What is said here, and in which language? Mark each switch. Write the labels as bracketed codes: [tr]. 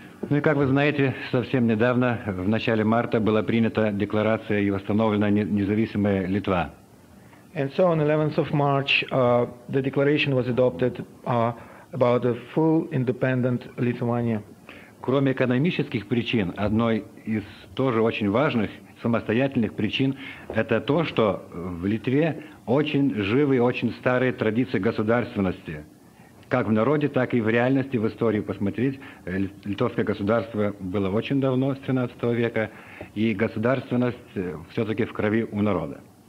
[ru] Ну и как вы знаете, совсем недавно, в начале марта, была принята декларация и восстановлена независимая Литва. [en] And so on 11th of March, the declaration was adopted about a full independent Lithuania. [ru] Кроме экономических причин, одной из тоже очень важных самостоятельных причин это то, что в Литве очень живые, очень старые традиции государственности, как в народе, так и в реальности, в истории посмотреть, литовское государство было очень давно, с 13 века, и государственность все-таки в крови у народа.